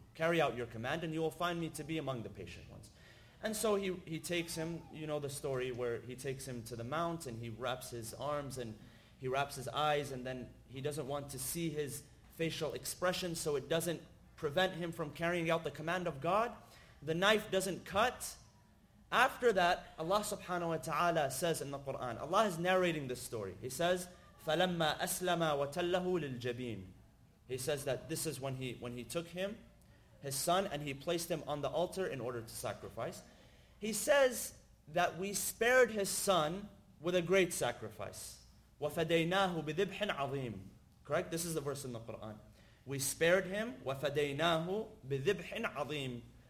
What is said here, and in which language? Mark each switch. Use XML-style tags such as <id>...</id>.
<en>Carry out your command and you will find me to be among the patient ones. And so he takes him, you know the story where he takes him to the mount and he wraps his arms and he wraps his eyes and then he doesn't want to see his facial expression so it doesn't prevent him from carrying out the command of God. The knife doesn't cut. After that, Allah subhanahu wa ta'ala says in the Quran, Allah is narrating this story. He says,</en> <ar>فَلَمَّا أَسْلَمَا وَتَلَّهُ لِلْجَبِينَ.</ar> <en>He says that this is when he took him, his son, and he placed him on the altar in order to sacrifice. He says that we spared his son with a great sacrifice.</en> <ar>وَفَدَيْنَاهُ بِذِبْحٍ عَظِيمٍ. Correct?</ar> <en>This is the verse in the Quran. We spared him,</en> <ar>وَفَدَيْنَاهُ بِذِبْحٍ عَظِيمٍ.</ar>